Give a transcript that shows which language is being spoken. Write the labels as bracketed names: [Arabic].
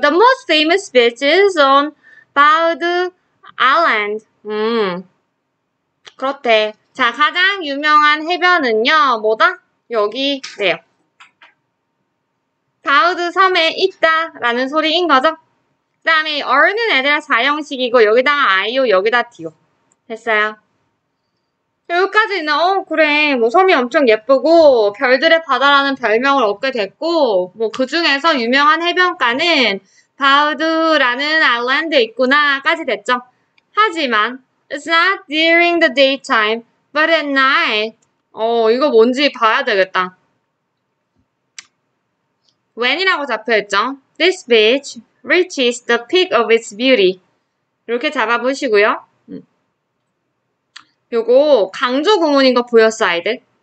[English] The most famous beaches on Bauda Island. [Korean] 그렇대. 자, 가장 유명한 해변은요, 뭐다? 여기래요. 바우드 섬에 있다라는 소리인 거죠. 그 다음에 어는 애들아 사형식이고 여기다가 아이오 여기다 디오. 됐어요. 여기까지는 그래 뭐 섬이 엄청 예쁘고 별들의 바다라는 별명을 얻게 됐고 뭐 그중에서 유명한 해변가는 바우드라는 아일랜드에 있구나까지 됐죠. [English] 하지만 It's not during the daytime, but at night. [Korean] 이거 뭔지 봐야 되겠다. When이라고 잡혀있죠? [English] This beach reaches the peak of its beauty. [Korean] 이렇게 잡아보시고요. 요거 강조 구문인 거 보였어, 아이들?